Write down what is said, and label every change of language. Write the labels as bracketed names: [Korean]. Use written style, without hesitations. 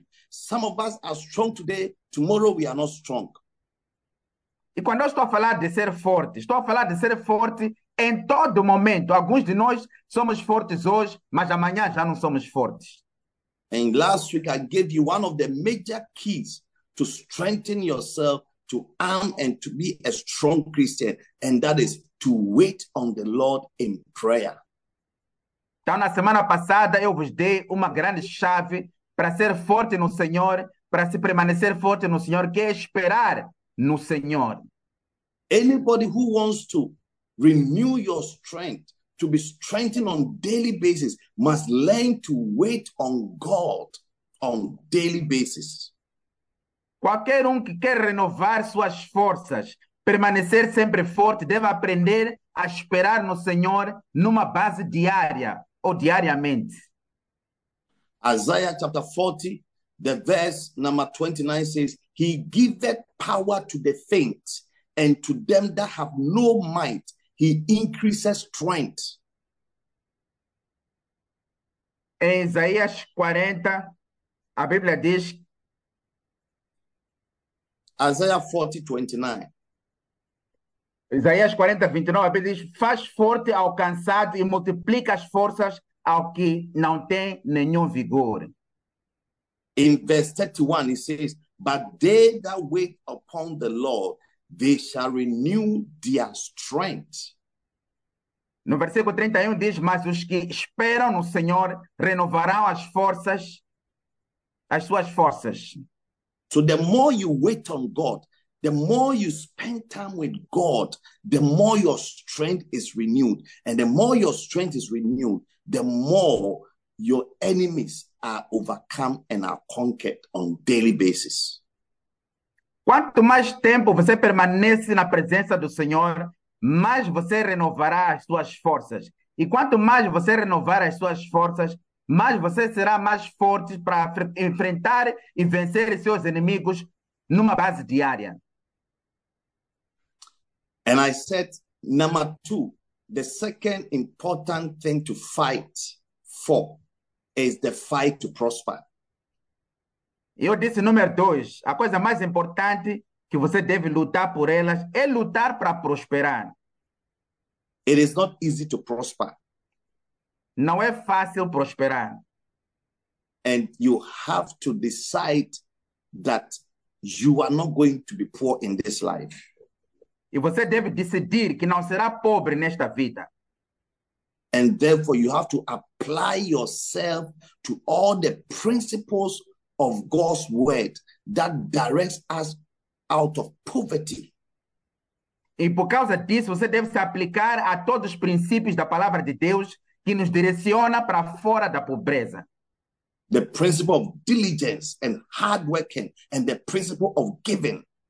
[English] Some of us are strong today, tomorrow we are not strong. [Portuguese] E quando eu estou a falar de ser forte em todo momento. Alguns de nós somos fortes hoje, mas amanhã já não somos fortes. [English] And last week I gave you one of the major keys to strengthen yourself, to arm and to be a strong Christian, and that is to wait on the Lord in prayer. [Portuguese] Então, na semana passada, eu vos dei uma grande chave para ser forte no Senhor, para se permanecer forte no Senhor, que é esperar no Senhor. [English] Anybody who wants to renew your strength, to be strengthened on daily basis, must learn to wait on God on daily basis. [Portuguese] Qualquer que quer renovar suas forças, permanecer sempre forte, deve aprender a esperar no Senhor numa base diária ou diariamente. [English] Isaiah chapter 40, the verse number 29 says, He giveth power to the faint, and to them that have no might, He increases strength. [Portuguese] Em Isaías 40, a Bíblia diz. [English] Isaiah 40, 29. [Portuguese] Isaías 40, 29, a Bíblia diz, faz forte ao cansado e multiplica as forças ao que não tem nenhum vigor. [English] In verse 31, it says, But they that wait upon the Lord, they shall renew their strength. [Portuguese] No versículo 31 diz, mas os que esperam no Senhor renovarão as suas forças. [English] So the more you wait on God, the more you spend time with God, the more your strength is renewed. And the more your strength is renewed, the more your enemies are overcome and are conquered on a daily basis. [Portuguese] Quanto mais tempo você permanece na presença do Senhor, mais você renovará as suas forças. E quanto mais você renovar as suas forças, mais você será mais forte para enfrentar e vencer seus inimigos numa base diária. [English] And I said, number two, the second important thing to fight for is the fight to prosper. [Portuguese] Eu disse, número dois, a coisa mais importante que você deve lutar por elas é lutar para prosperar. [English] It is not easy to prosper. [Portuguese] Não é fácil prosperar. [English] And you have to decide that you are not going to be poor in this life. [Portuguese] E você deve decidir que não será pobre nesta vida. [English] And therefore you have to apply yourself to all the principles of God's word that directs us out of poverty. [Portuguese] E por causa disso, você deve se aplicar a todos os princípios da palavra de Deus que nos direciona para fora da pobreza. [English] The principle of diligence and hard working and the principle of giving.